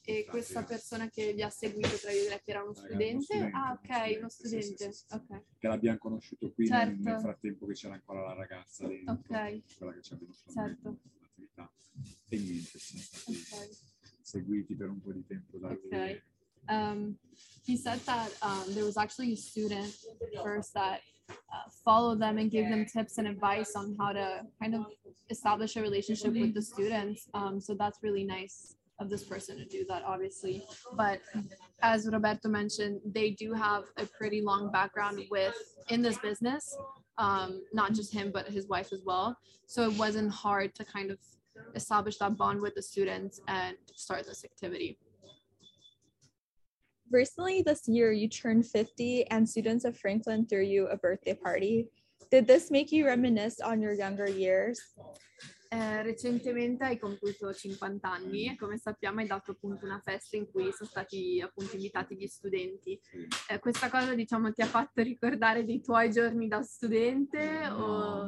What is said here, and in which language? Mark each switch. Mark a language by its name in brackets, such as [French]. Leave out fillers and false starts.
[Italian] E questa persona che vi ha seguito tra virgolette era uno studente? Ah ok, uno studente. Sì. Okay. Che l'abbiamo conosciuto qui certo. nel frattempo che c'era ancora la ragazza lì, okay. quella che ci ha venuto. Certo. E niente, siamo stati okay. seguiti per un po' di tempo da okay. [English] He said that there was actually a student first that followed them and gave them tips and advice on how to kind of establish a relationship with the students. So that's really nice of this person to do that, obviously. But as Roberto mentioned, they do have a pretty long background with in this business, not just him, but his wife as well. So it wasn't hard to kind of establish that bond with the students and start this activity. Recently this year, you turned 50 and students of Franklin threw you a birthday party. Did this make you reminisce on your younger years? [Italian] Recentemente hai compiuto 50 anni e come sappiamo hai dato appunto una festa in cui sono stati appunto invitati gli studenti. Questa cosa diciamo ti ha fatto ricordare dei tuoi giorni da studente o...